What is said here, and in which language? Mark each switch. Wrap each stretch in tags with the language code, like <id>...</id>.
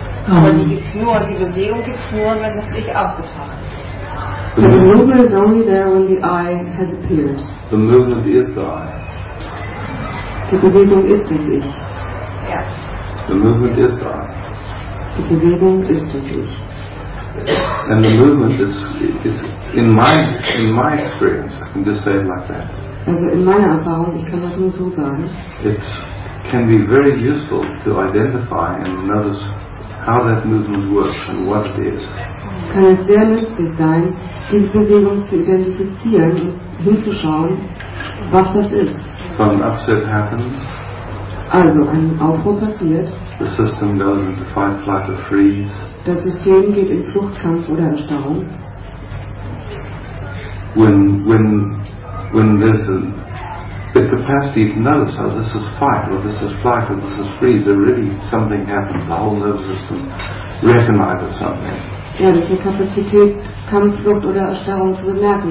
<de>Aber die gibt es nur, die Bewegung gibt es nur, wenn das Ich aufgetragen ist.</de> <en>So the movement is only there when the I has appeared. The movement is the I.</en> <de>Die Bewegung ist das Ich.</de> <en>The movement is the I.</en> <de>Die Bewegung ist das Ich.</de> <en>And the movement is in my experience, I can just say it like that.</en> <de>Also in meiner Erfahrung, ich kann das nur so sagen.</de> <en>It can be very useful to identify and notice how that movement works and what it is.</en> <de>Kann es sehr nützlich sein, diese Bewegung zu identifizieren und hinzuschauen, was das ist.</de> <en>So an upset happens.</en> <de>Also ein Aufruhr passiert.</de> <en>The system goes into fight, flight or freeze.</en> <de>Das System geht in Fluchtkampf oder Erstarrung.</de> <en>When there's the capacity to know, so this is fight or this is flight or this is freeze, there really something happens. The whole nervous system recognizes something.</en> <de>Ja, das ist eine Kapazität, Kampf, Flucht oder Erstarrung zu bemerken.</de>